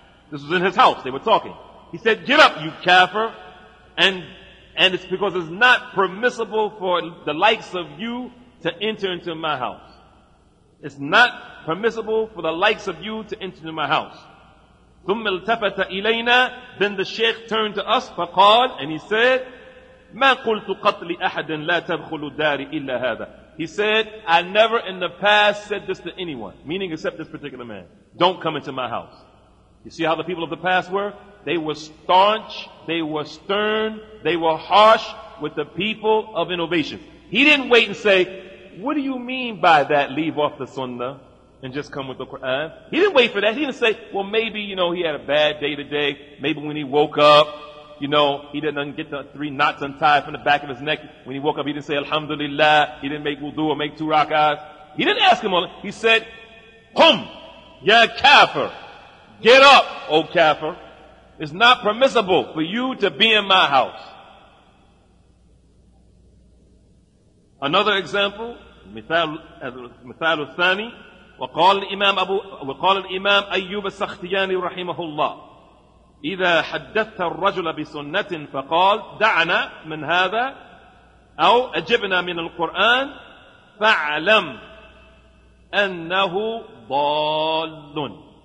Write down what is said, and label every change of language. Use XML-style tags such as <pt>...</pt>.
<en>This was in his house, they were talking. He said, get up, you kafir, and it's because it's not permissible for the likes of you to enter into my house. It's not permissible for the likes of you to enter into my house.</en> <ar>ثُمَّ الْتَفَتَ إِلَيْنَا.</ar> <en>Then the Shaykh turned to us,</en> <ar>فقال,</ar> <en>and he said,</en> <ar>مَا قُلْتُ قَتْلِ أَحَدٍ لَا تَدْخُلُ الدَّارِ إِلَّا هَذَا.</ar> <en>He said, I never in the past said this to anyone, meaning except this particular man. Don't come into my house. You see how the people of the past were? They were staunch, they were stern, they were harsh with the people of innovation. He didn't wait and say, what do you mean by that, leave off the sunnah and just come with the Quran? He didn't wait for that. He didn't say, well, maybe, you know, he had a bad day today. Maybe when he woke up, you know, he didn't get the three knots untied from the back of his neck. When he woke up, he didn't say, alhamdulillah. He didn't make wudu or make two rak'ahs. He didn't ask him all. He said, hum, ya kafir. Get up, O kafir. It's not permissible for you to be in my house. Another example,</en> <ar>مثال الثاني, وقال الإمام أيوب السختياني رحمه الله, إذا حدثت الرجل بسنة فقال دعنا من هذا أو أجبنا من القرآن فاعلم أنه ضال.</ar>